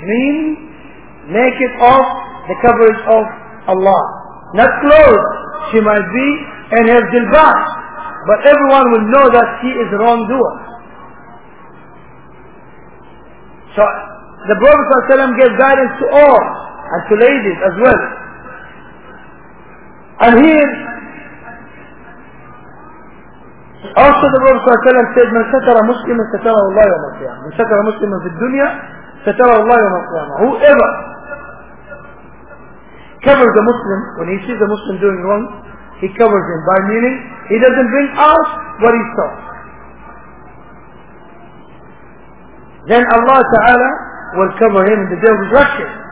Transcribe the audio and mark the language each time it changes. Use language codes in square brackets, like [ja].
[en] Mean naked of the coverage of Allah. Not clothed, she might be in her jilbab, but everyone will know that she is a wrongdoer. So the Prophet ﷺ gave guidance to all and to ladies as well. And here also the Prophet ﷺ said, [ar] من ستر مسلم ستره الله يوم القيامة. من ستر مسلم في الدنيا ستره الله يوم القيامة. [en] Whoever covers the Muslim, when he sees the Muslim doing wrong, he covers him, by meaning he doesn't bring out what he saw. Then Allah Ta'ala will cover him in the day of resurrection.